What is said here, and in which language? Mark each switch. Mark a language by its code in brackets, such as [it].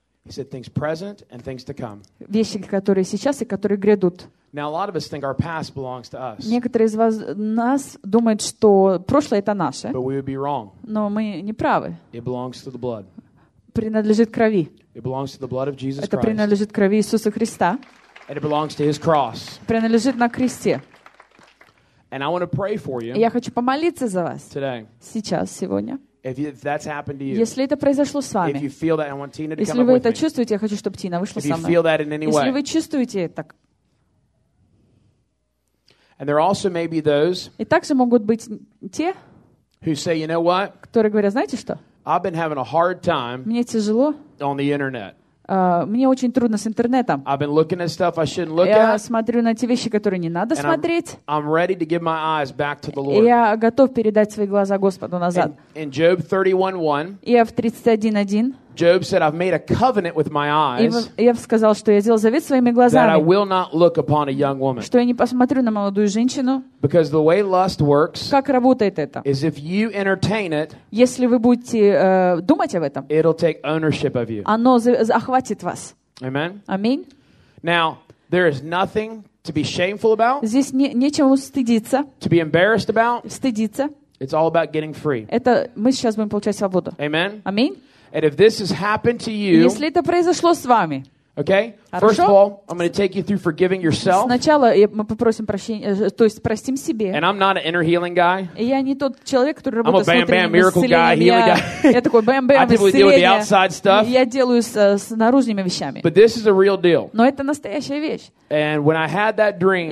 [en] He said things present and things to come. [ru] Вещи, которые сейчас и которые грядут. [en] Now a lot of us think our past belongs to us. [ru] Некоторые из вас нас думают, что прошлое это наше. [en] But we would be wrong. [ru] Но мы не правы. [en] It belongs to the blood. [ru] Принадлежит крови. [en] It belongs to the blood of Jesus [ru] это Это принадлежит крови Иисуса Христа. [en] And it belongs to His cross. [ru] Принадлежит на кресте. [en] And I want to pray for you. [ru] И я хочу помолиться за вас. [en] Today. [ru] Сейчас, сегодня. [en] If that's happened to you, [ru] если это произошло с вами, [en] if you feel that, I want Tina to come [ru] если вы это чувствуете, я хочу, чтобы Тина вышла со мной. [en] If you feel that in any way, [ru] если вы чувствуете так. [en] And there also may be those, [ru] и также могут быть те, [en] who say, you know what? [ru] Которые говорят, знаете что? [en] I've been having a hard time. [ru] Мне тяжело. [en] On the internet. [ru] Мне очень трудно с интернетом. [en] I've been looking at stuff I shouldn't look [ru] я [en] at. [ru] Я смотрю на те вещи, которые не надо [en] and [ru] смотреть. [en] I'm ready to give my eyes back to the Lord. [ru] Я готов передать свои глаза Господу назад. [en] In Job 31:1. [ru] Иов 31:1. [en] Job said, "I've made a covenant with my eyes." [ru] Иов сказал, что я сделал завет своими глазами. [en] That I will not look upon a young woman. [ru] Что я не посмотрю на молодую женщину. [en] Because the way lust works. [ru] Как работает это? [en] Is if you entertain it. [ru] Если вы будете думать об этом. [en] It'll take ownership of you. [ru] Оно захватит вас. [en] Amen. [ru] Аминь. [en] Now there is nothing to be shameful about. [ru] Здесь нечему стыдиться. [en] To be embarrassed about. [ru] Стыдиться. [en] It's all about getting free. [ru] Это мы сейчас будем получать свободу. [en] Amen. [ru] Аминь. [en] And if this has happened to you, [ru] если это произошло с вами, [en] okay? [ru] Хорошо? [en] First of all, I'm going to take you through forgiving yourself. [ru] Сначала мы попросим прощения, то есть простим себе. [en] And I'm not an inner healing guy. [ru] Я не тот человек, который работает с внутренним исцелением. [en] I'm a bam-bam miracle guy, healing guy. [ru] Я такой бам-бам исцеление. [en] I typically deal with the outside stuff. [ru] Я делаю с наружными вещами. [en] But this is a real deal. [ru] Но это настоящая вещь. [en] And when I had that dream,